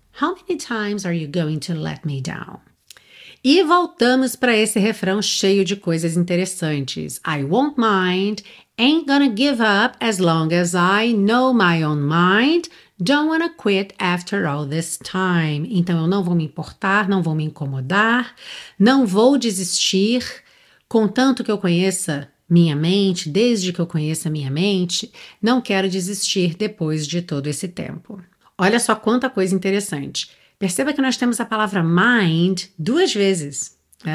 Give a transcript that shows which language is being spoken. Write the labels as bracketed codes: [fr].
[en] How many times are you going to let me down? [pt] E voltamos para esse refrão cheio de coisas interessantes. [en] I won't mind, ain't gonna give up as long as I know my own mind, don't wanna quit after all this time. [pt] Então eu não vou me importar, não vou me incomodar, não vou desistir, contanto que eu conheça minha mente, desde que eu conheça minha mente, não quero desistir depois de todo esse tempo. Olha só quanta coisa interessante. Perceba que nós temos a palavra mind duas vezes. Né?